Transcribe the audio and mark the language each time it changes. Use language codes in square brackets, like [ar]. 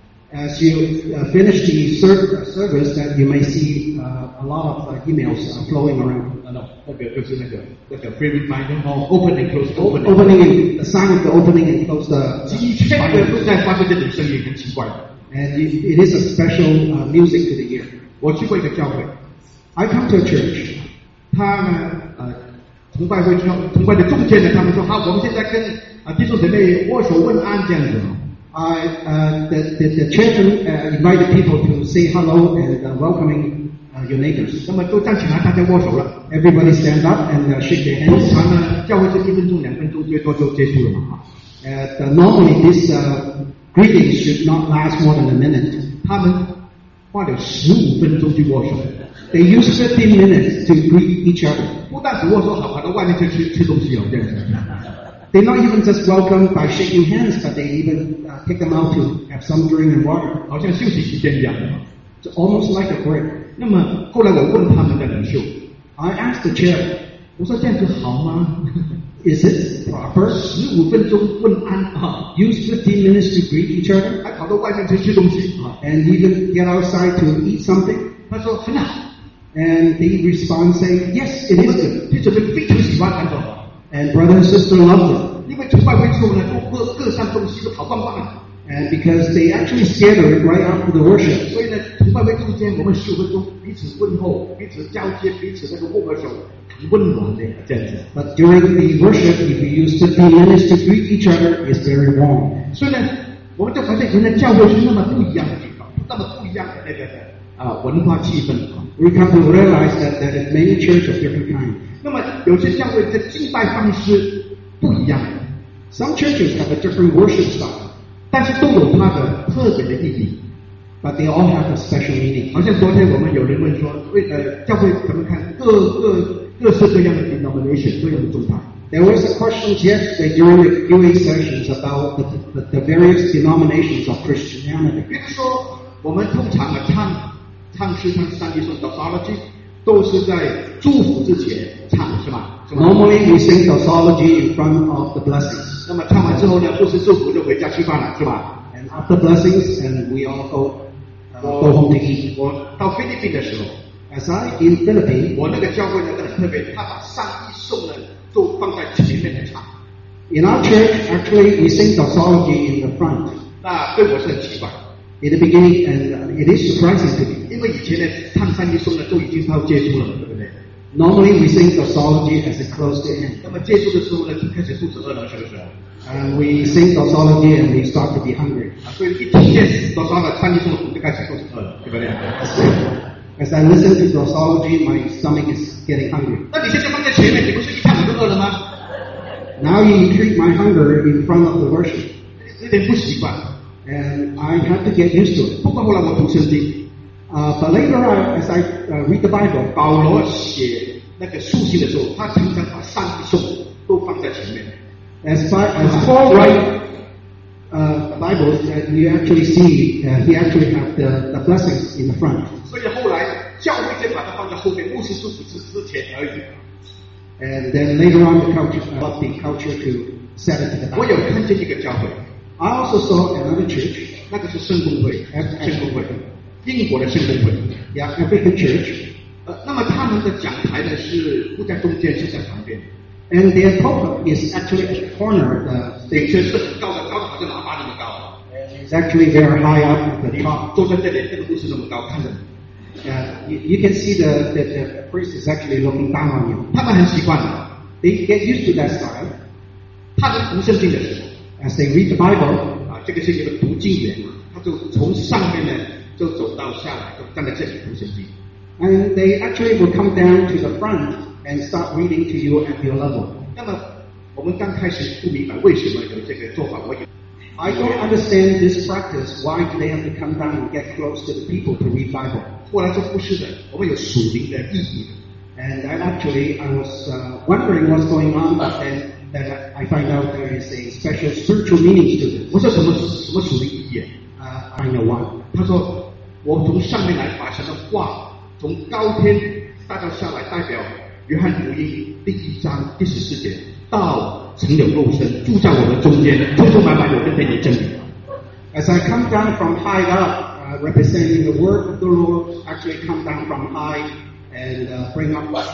[en] As you finish the service, that you may see a lot of emails flowing around. No, [zh] 那个就是那个 [en] free reminder hall opening close opening in, the sign of the opening and close the. [zh] 几千个都在发出这种声音，很奇怪。 [en] And it is a special music to the ear. [zh] 我去过一个教会 [en] ，I come to a church. [zh] 他呢，崇拜的中间呢，他们说好，我们现在跟。弟兄姐妹握手问安这样子。 [en] The chairman invited people to say hello and welcoming your neighbors. [zh] 那么都站起来，大家握手了。 [en] Everybody stand up and shake their hands. [zh] 通常呢，教会就一分钟、两分钟，最多就结束了嘛。 [en] Normally this greeting should not last more than a minute. [zh] 他们花了15分钟去握手。 [en] They use 15 minutes to greet each other. [zh] 不但是握手好，还到外面去吃东西了，这样子。 [en] They not even just welcome by shaking hands, but they even take them out to have some drink and water. [zh] 好像休息时间一样的。 [en] It's almost like a break. [zh] 那么后来我问他们的领袖， [en] I asked the chair, [zh] 我说这样子好吗？ [en] Is it proper? [zh] 15分钟问安啊， [en] use 15 minutes to greet each other, [zh] 还跑到外面去吃东西啊， [en] and even get outside to eat something. [zh] 他说很好， [en] and they respond saying, yes, it is good. [zh] 弟兄们非常喜欢安装。 [en] And brother and sister loved it. [zh] 因为崇拜会之后呢，各散东西都跑光光了。 [en] And because they actually scattered right after the worship. [zh] 所以呢，崇拜会中间我们十五分钟彼此问候、彼此交接、彼此那个握个手，很温暖的这样子。 [en] But during the worship, if you use 15 minutes to greet each other, it's very warm. [zh] 所以呢，我们就发现原来教会是那么不一样的地方，那么不一样的那个文化气氛。 [en] We come to realize that there are many churches of different kind. [zh] 那么有些教会的敬拜方式不一样。 [en] Some churches have a different worship style, [zh] 但是都有它的特别的意义。 [en] But they all have a special meaning. [zh] 好像昨天我们有人问说，教会怎么看各式各样的 denomination 各样的宗派。 [en] There was a question yesterday during the Q&A sessions about the various denominations of Christianity. [zh] 比如说，我们通常的唱。唱诗唱上帝说 doxology 都是在祝福之前唱是吧？ [en] Normally we sing doxology in front of the blessings. [zh] 那么唱完之后呢，不是祝福就回家吃饭了是吧？ [en] And after blessings, and we all go home to eat. [zh] 我到菲律宾的时候， [en] as I in Philippines, [zh] 我那个教会那个特别，他把上帝颂呢都放在前面来唱。 [en] In our church, actually we sing doxology in the front. [zh] 那对我是很奇怪。 [en] In the beginning, and it is surprising to me. [zh] 因为以前呢，唱三句颂呢，都已经到结束了，对不对？ [en] Normally we sing doxology as a close to end. [zh] 那么结束的时候呢，就开始肚子饿了，是不是？ [en] And we sing doxology and we start to be hungry. [zh] 所以一听见doxology三句颂，我就开始肚子饿了，对不对？ [en] As I listen to doxology, my stomach is getting hungry. [zh] 那你现在放在前面，你不是一唱我就饿了吗？ [en] Now you treat my hunger in front of the worship. [zh] 有点不习惯。 [en] And I had to get used to it. [zh] 不过后来我读圣经。 [en] But later on, as I read the Bible, [zh] 保罗写那个书信的时候，他常常把上帝颂都放在前面。 [en] As Paul writes Bibles, that you actually see, he actually have the blessings in the front. [zh] 所以后来教会就把它放在后面，牧师祝福之前而已。 [en] And then later on, the culture to set it to the back. [zh] 我有看见一个教会。 [en] I also saw another church. [zh] 那个是圣公会，圣公会，英国的圣公会。 [en] Yeah, a big church. [zh] 那么他们的讲台呢是不在中间，是在旁边。 [en] And their pulpit is actually a corner of the stage. [zh] 是很高的，高的好像喇叭那么高。 [en] It's actually very high up at the top. [zh] 坐在这里，那个牧师那么高，看着。 [en] You can see the priest is actually looking down on you. [zh] 他们很习惯的。 [en] They get used to that style. [zh] 他们读圣经的时候。 [en] As they read the Bible, [zh] 这个是一个读经员嘛，他就从上面呢就走到下来，就站在这里读圣经。 [en] And they actually will come down to the front and start reading to you at your level. [zh] 那么我们刚开始不明白为什么有这个做法，我也。 [en] I don't understand this practice. Why do they have to come down and get close to the people to read Bible? [zh] 后来说不是的，我们有属灵的意义。 [en] And I was wondering what's going on, but then. That I find out there is a special spiritual meaning to it. [zh] 我说什么属灵意义？ [en] I know why. [zh] 他说，我从上面来把什么话从高天大到下来，代表约翰福音第一章第十四节，道成了肉身住在我们中间，充充满满有恩典的真理。 [en] As I come down from high up, representing the word of the Lord, actually come down from high and bring up.